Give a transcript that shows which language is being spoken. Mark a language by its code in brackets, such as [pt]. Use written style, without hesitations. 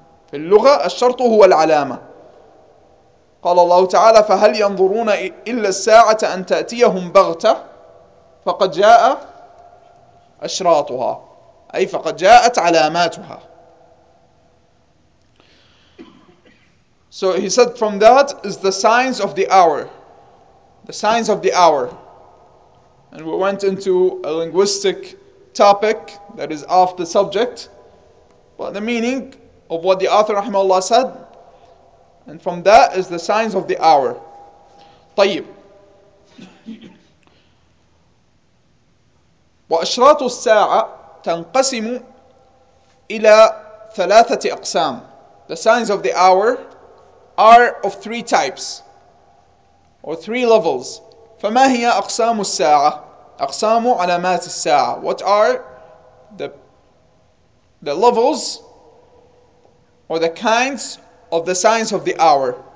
[ar] في اللغة الشرط هو العلامة. قال الله تعالى فهل ينظرون إلا الساعة أن تأتيهم بغتة فقد جاء أشراطها أي فقد جاءت علاماتها. [en] So he said from that is the signs of the hour. The signs of the hour. And we went into a linguistic topic that is off the subject. But the meaning of what the author rahimahullah said. And from that is the signs of the hour. [ar] طيب. وأشراط الساعة تنقسم إلى ثلاثة أقسام. [en] The signs of the hour are of three types or three levels. [ar] فما هي أقسام الساعة؟ أقسام علامات الساعة. [en] What are the levels or the kinds of the signs of the hour?